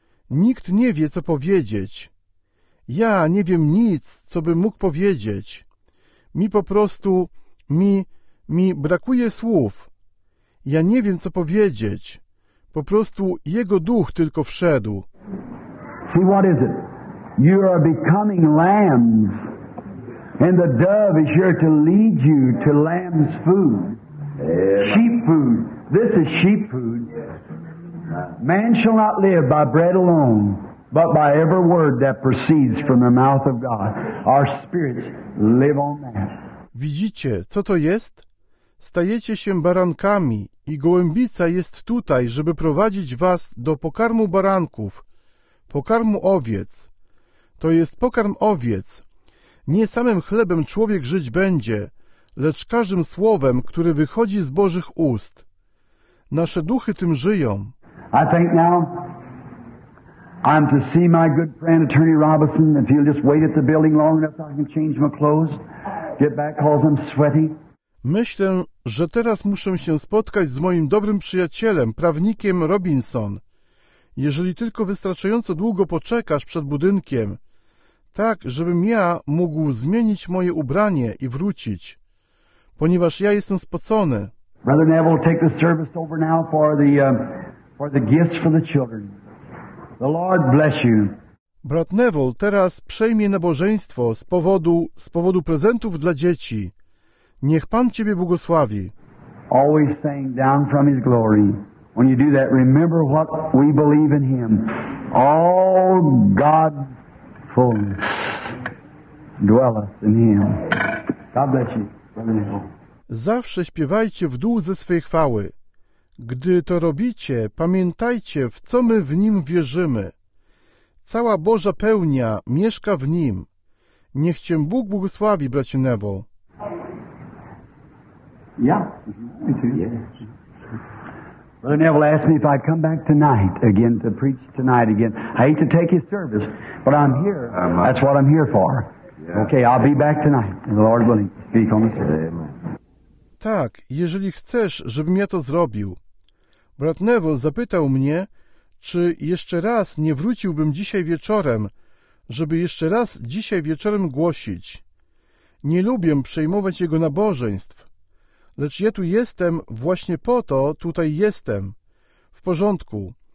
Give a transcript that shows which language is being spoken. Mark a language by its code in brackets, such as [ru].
[pl] Nikt nie wie, co powiedzieć. Ja nie wiem nic, co bym mógł powiedzieć. Mi po prostu brakuje słów. Ja nie wiem, co powiedzieć. Po prostu Jego Duch tylko wszedł. [en] See, what is it? You are becoming lambs. And the dove is here to lead you to lamb's food. Sheep food. This is sheep food. Man shall not live by bread alone, but by every word that proceeds from the mouth of God. Our spirits live on that. [pl] Widzicie, co to jest? Stajecie się barankami i gołębica jest tutaj, żeby prowadzić was do pokarmu baranków, pokarmu owiec. To jest pokarm owiec. Nie samym chlebem człowiek żyć będzie, lecz każdym słowem, które wychodzi z Bożych ust. Nasze duchy tym żyją. [en] I think now I'm to see my good friend, Attorney Robinson, if he'll just wait at the building long enough, I can change my clothes, get back, cause I'm sweaty. [pl] Myślę, że teraz muszę się spotkać z moim dobrym przyjacielem, prawnikiem Robinson. Jeżeli tylko wystarczająco długo poczekasz przed budynkiem, tak, żebym ja mógł zmienić moje ubranie i wrócić, ponieważ ja jestem spocony. [en] Brother Neville, take the service over now for the gifts for the children. The Lord bless you. [pl] Brat Neville teraz przejmie nabożeństwo z powodu prezentów dla dzieci. Niech Pan Ciebie błogosławi. [en] Always saying down from His glory. When you do that, remember what we believe in Him. All God's fullness dwelleth in Him. God bless you. [pl] Zawsze śpiewajcie w dół ze swej chwały. Gdy to robicie, pamiętajcie, w co my w Nim wierzymy. Cała Boża pełnia mieszka w Nim. Niech Cię Bóg błogosławi, bracie Neville. Ja? [en] Yes. Brother Neville asked me if I'd come back tonight again to preach tonight again. I hate to take his service, but I'm here. That's what I'm here for. Okay, I'll be back tonight. The Lord willing, speak on the service. [pl] Tak, jeżeli chcesz, żebym ja to zrobił. Brat Neville zapytał mnie, czy jeszcze raz nie wróciłbym dzisiaj wieczorem, żeby jeszcze raz dzisiaj wieczorem głosić. Nie lubię przejmować jego nabożeństw, lecz ja tu jestem właśnie po to, tutaj jestem. W porządku.